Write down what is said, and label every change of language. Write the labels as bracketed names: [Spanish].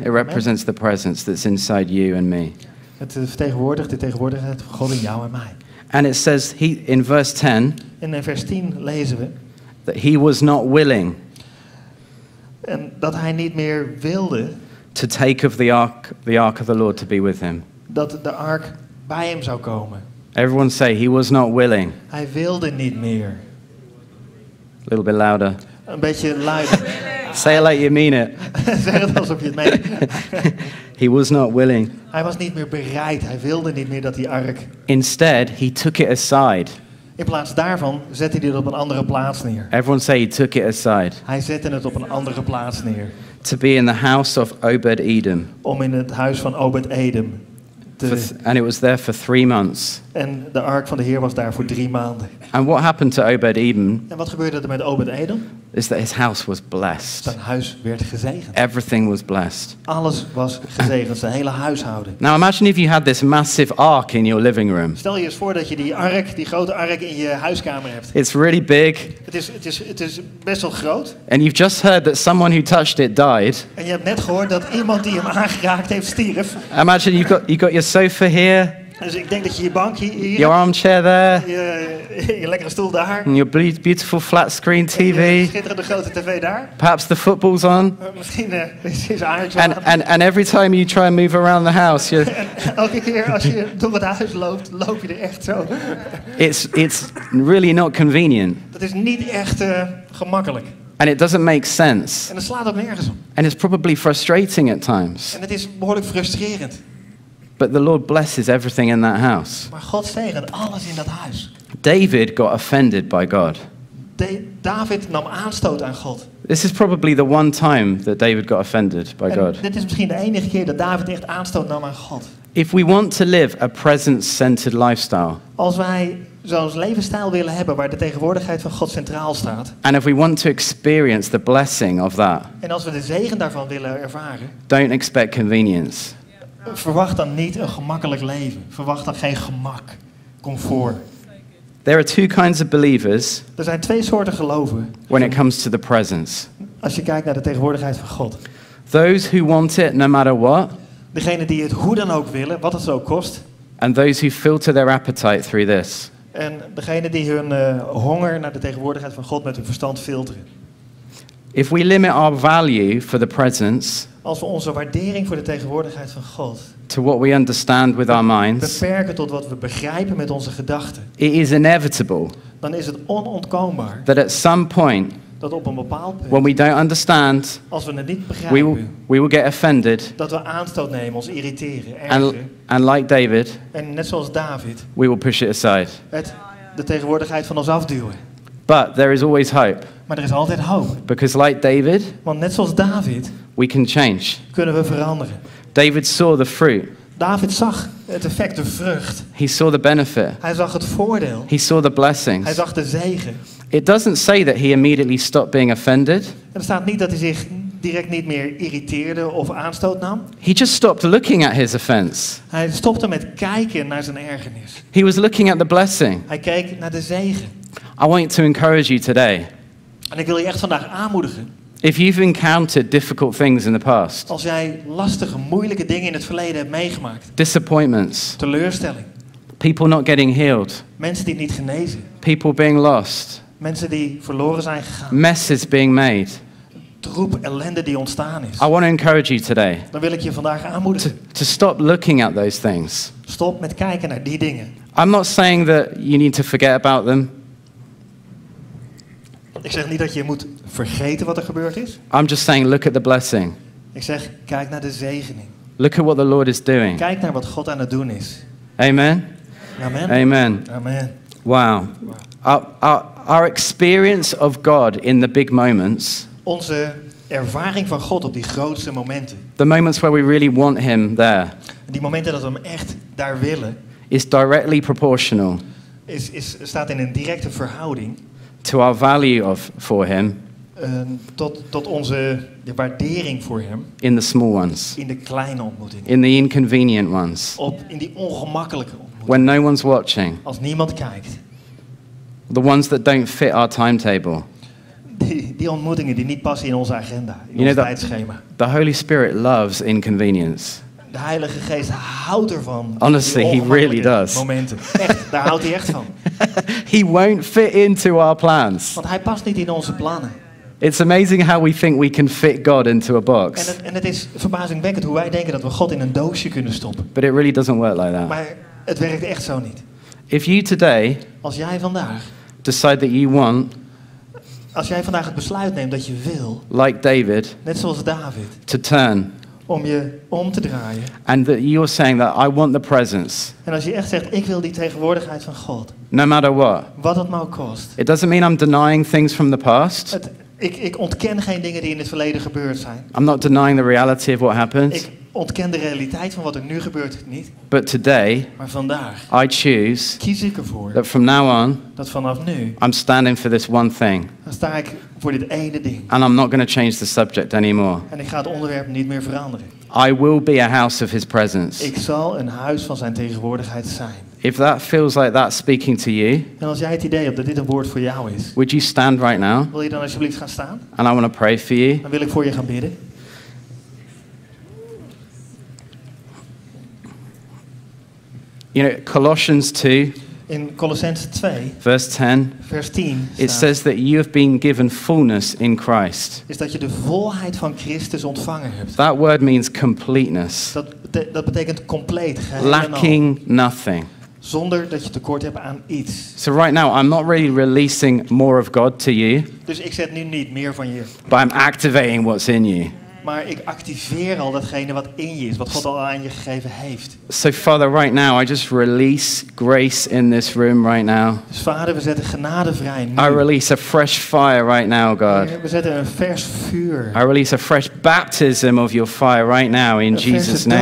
[English] It represents the presence that's inside you and me. [Dutch] Het vertegenwoordigt de tegenwoordigheid van God in jou en mij. [English] And it says he in verse 10. [Dutch] In vers 10 lezen we [English] that he was not willing. [Dutch] En dat hij niet meer wilde [English] to take of the ark of the Lord to be with him. [Dutch] Dat de ark bij hem zou komen. [English] Everyone say he was not willing. [Dutch] Hij wilde niet meer. [English] A little bit louder. [Dutch] Een beetje luider. [English] Say it like you mean it. [Dutch] Zeg het alsof je het meent. [English] He was not willing. [Dutch] Hij was niet meer bereid. Hij wilde niet meer dat die ark. [English] Instead, he took it aside. [Dutch] In plaats daarvan zette hij het op een andere plaats neer. [English] Everyone say he took it aside. [Dutch] Hij zette het op een andere plaats neer. [English] To be in the house of Obed-Edom. [Dutch] Om in het huis van Obed-Edom. [English] And it was there for 3 months. [Dutch] En de ark van de Heer was daar voor 3 maanden. [English] And what happened to Obed-Edom? [Dutch] En wat gebeurde er met Obed-Edom? [English] Is that his house was blessed. [Dutch] Zijn huis werd gezegend. [English] Everything was blessed. [Dutch] Alles was gezegend, zijn hele huishouden. [English] Now imagine if you had this massive ark in your living room. [Dutch] Stel je eens voor dat je die ark, die grote ark in je huiskamer hebt. [English] It's really big. [Dutch] Het is best wel groot. [English] And you've just heard that someone who touched it died. [Dutch] En je hebt net gehoord dat iemand die hem aangeraakt heeft stierf. [English] Imagine you got your sofa here. [Dutch] Dus ik denk dat je bank hier. [English] Your armchair there. [Dutch] Je lekkere stoel daar. [English] And your beautiful flat screen TV. [Dutch] En je schitterende grote tv daar. [English] Perhaps the football's on. [Dutch] Misschien is Ajax. [English] And every time you try and move around the house, you. [Dutch] Elke keer als je door het huis loopt, loop je er echt zo. [English] It's really not convenient. [Dutch] Dat is niet echt gemakkelijk. [English] And it doesn't make sense. [Dutch] En het slaat ook nergens op. [English] And it's probably frustrating at times. [Dutch] En het is behoorlijk frustrerend. [English] But the Lord blesses everything in that house. [Dutch] Maar God zegent alles in dat huis. [English] David got offended by God. [Dutch] David nam aanstoot aan God. [English] This is probably the one time that David got offended by God. [Dutch] Dit is misschien de enige keer dat David echt aanstoot nam aan God. [English] If we want to live a presence-centered lifestyle. [Dutch] Als wij zo'n levensstijl willen hebben waar de tegenwoordigheid van God centraal staat. [English] And if we want to experience the blessing of that. [Dutch] En als we de zegen daarvan willen ervaren. [English] Don't expect convenience. [Dutch] Verwacht dan niet een gemakkelijk leven. Verwacht dan geen gemak, comfort. [English] There are two kinds of believers. [Dutch] Er zijn twee soorten geloven. [English] When it comes to the presence. [Dutch] Als je kijkt naar de tegenwoordigheid van God. [English] Those who want it no matter what. [Dutch] Degenen die het hoe dan ook willen, wat het zo kost. [English] And those who filter their appetite through this. [Dutch] En degenen die hun honger naar de tegenwoordigheid van God met hun verstand filteren. [English] If we limit our value for the presence. [Dutch] Als we onze waardering voor de tegenwoordigheid van God. [English] To what we understand with our minds. [Dutch] Beperken tot wat we begrijpen met onze gedachten. [English] It is inevitable. [Dutch] Dan is het onontkoombaar. [English] That at some point. [Dutch] Dat op een bepaald punt. [English] When we don't understand. [Dutch] Als we het niet begrijpen. [English] We will get offended. [Dutch] Dat we aanstoot nemen, ons irriteren. [English] And like David. [Dutch] En net zoals David. [English] We will push it aside. [Dutch] Het de tegenwoordigheid van ons afduwen. [English] But there is always hope. [Dutch] Maar er is altijd hoop. [English] Because like David. [Dutch] Want net zoals David. [English] We can change. [Dutch] Kunnen we veranderen. [English] David saw the fruit. [Dutch] David zag het effect, de vrucht. [English] He saw the benefit. [Dutch] Hij zag het voordeel. [English] He saw the blessings. [Dutch] Hij zag de zegen. [English] It doesn't say that he immediately stopped being offended. [Dutch] Er staat niet dat hij zich direct niet meer irriteerde of aanstoot nam. [English] He just stopped looking at his offense. [Dutch] Hij stopte met kijken naar zijn ergernis. [English] He was looking at the blessing. [Dutch] Hij keek naar de zegen. [English] I want to encourage you today. [Dutch] En ik wil je echt vandaag aanmoedigen. [English] If you've encountered difficult things in the past. [Dutch] Als jij lastige, moeilijke dingen in het verleden hebt meegemaakt. [English] Disappointments. [Dutch] Teleurstelling. [English] People not getting healed. [Dutch] Mensen die niet genezen. [English] People being lost. [Dutch] Mensen die verloren zijn gegaan. [English] Messes being made. [Dutch] Troep ellende die ontstaan is. [English] I want to encourage you today. [Dutch] Dan wil ik je vandaag aanmoedigen. [English] To stop looking at those things. [Dutch] Stop met kijken naar die dingen. [English] I'm not saying that you need to forget about them. [Dutch] Ik zeg niet dat je moet vergeten wat er gebeurd is. [English] I'm just saying look at the blessing. [Dutch] Ik zeg kijk naar de zegening. [English] Look at what the Lord is doing. [Dutch] Kijk naar wat God aan het doen is. [English] Amen. [Dutch] Amen. [English] Amen. [Dutch] Amen. [English] Wow. Our experience of God in the big moments. [Dutch] Onze ervaring van God op die grootste momenten. [English] The moments where we really want him there. [Dutch] Die momenten dat we hem echt daar willen. [English] Is directly proportional. [Dutch] Is staat in een directe verhouding. [English] To our value of for him. [Dutch] Tot onze de waardering voor hem. [English] In the small ones. [Dutch] In de kleine ontmoetingen. [English] In the inconvenient ones. [Dutch] In die ongemakkelijke ontmoetingen. [English] When no one's watching. [Dutch] Als niemand kijkt. [English] The ones that don't fit our timetable. [Dutch] Die ontmoetingen die niet passen in onze agenda, in ons tijdschema. [English] The Holy Spirit loves inconvenience. [Dutch] De Heilige Geest houdt ervan. [English] Honestly, he really does. [Dutch] Momenten. Echt, daar houdt hij echt van. [English] He won't fit into our plans. [Dutch] Want hij past niet in onze plannen. [English] It's amazing how we think we can fit God into a box. [Dutch] En het is verbazingwekkend hoe wij denken dat we God in een doosje kunnen stoppen. [English] But it really doesn't work like that. [Dutch] Maar het werkt echt zo niet. [English] If you today, [Dutch] als jij vandaag, [English] decide that you want, [Dutch] als jij vandaag het besluit neemt dat je wil, [English] like David, [Dutch] net zoals David, [English] to turn, [Dutch] om je om te draaien, [English] and that you're saying that I want the presence. [Dutch] En als je echt zegt ik wil die tegenwoordigheid van God, [English] no matter what, [Dutch] wat het maar kost, [English] it doesn't mean I'm denying things from the past. [Dutch] Ik ontken geen dingen die in het verleden gebeurd zijn. [English] I'm not denying the reality of what happened. [Dutch] Ik ontken de realiteit van wat er nu gebeurt niet. [English] But today, [Dutch] maar vandaag, [English] I choose, [Dutch] kies ik ervoor, [English] that from now on, [Dutch] dat vanaf nu, [English] I'm standing for this one thing. [Dutch] Dan sta ik voor dit ene ding. [English] And I'm not going to change the subject anymore. [Dutch] En ik ga het onderwerp niet meer veranderen. [English] I will be a house of his presence. [Dutch] Ik zal een huis van zijn tegenwoordigheid zijn. [English] If that feels like that speaking to you, [Dutch] en als jij het idee hebt dat dit een woord voor jou is, [English] would you stand right now? [Dutch] Wil je dan alsjeblieft gaan staan? [English] And I want to pray for you. [Dutch] Dan wil ik voor je gaan bidden. [English] You know, Colossians 2. [Dutch] In Colossians 2. [English] Verse 10. It says that you have been given fullness in Christ. [Dutch] Is dat je de volheid van Christus ontvangen hebt? [English] That word means completeness. [Dutch] Dat betekent compleet, geheel. [English] Lacking nothing. [Dutch] Zonder dat je tekort hebt aan iets. [English] So right now I'm not really releasing more of God to you. [Dutch] Dus ik zet nu niet meer van je. [English] But I'm activating what's in you. [Dutch] Maar ik activeer al datgene wat in je is, wat God al aan je gegeven heeft. [English] So Father, right now I just release grace in this room right now. [Dutch] Dus Vader, we zetten genade vrij nu. [English] I release a fresh fire right now, God. [Dutch] We zetten een vers vuur. [English] I release a fresh baptism of your fire right now in Jesus' name.